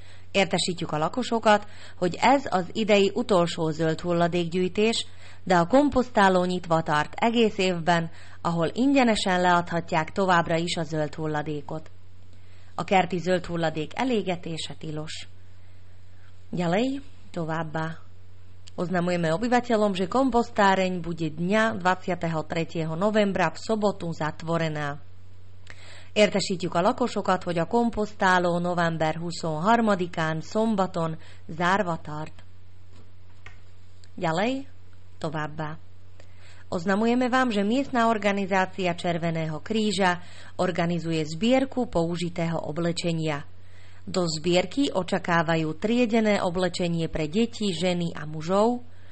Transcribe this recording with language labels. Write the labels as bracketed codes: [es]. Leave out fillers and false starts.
[hu] Értesítjük a lakosokat, hogy ez az idei utolsó zöld hulladékgyűjtés, de a komposztáló nyitva tart egész évben, ahol ingyenesen leadhatják továbbra is a zöld hulladékot. A kerti zöld hulladék elégetése tilos. [sk] Ďalej, [hu] továbbá. [sk] Oznamujeme obyvateľom, že kompostáreň bude dňa 23. novembra v sobotu zatvorená. [hu] Értesítjük a lakosokat, hogy a komposztáló november 23-án szombaton zárva tart. [sk] Ďalej, [hu] továbbá. [sk] Oznamujeme vám, že miestna organizácia Červeného kríža organizuje zbierku použitého oblečenia. Do zbierky očakávajú triedené oblečenie pre deti, ženy a mužov.